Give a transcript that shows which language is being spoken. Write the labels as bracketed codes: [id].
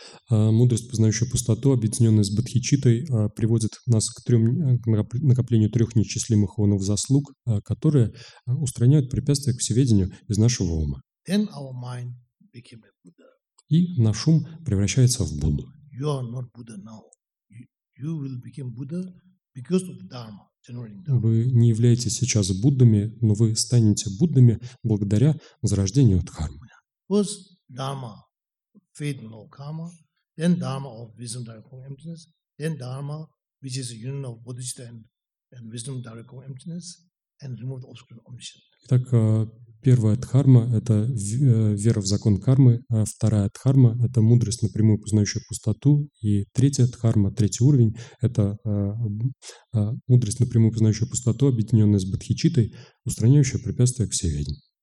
[ru] Мудрость, познающая пустоту, объединенная с бодхичиттой, приводит нас к накоплению трех неисчислимых онов заслуг, которые устраняют препятствия к всеведению из нашего ума. [en] Then our mind became a Buddha. [ru] И наш ум превращается в Будду. [en] You are not Buddha now. You will become Buddha because of the Dharma. [ru] Вы не являетесь сейчас Буддами, но вы станете Буддами благодаря зарождению дхармы. [en] First dharma, faith in low karma, then dharma of wisdom direct from emptiness, then dharma which is a union of bodhisattva and wisdom direct from emptiness, and remove the obstacle of omniscience. [ru] Итак, первая дхарма – это вера в закон кармы, а вторая дхарма – это мудрость, напрямую познающая пустоту, и третья дхарма, третий уровень – это мудрость, напрямую познающая пустоту, объединенная с бодхичиттой, устраняющая препятствия к всеведению.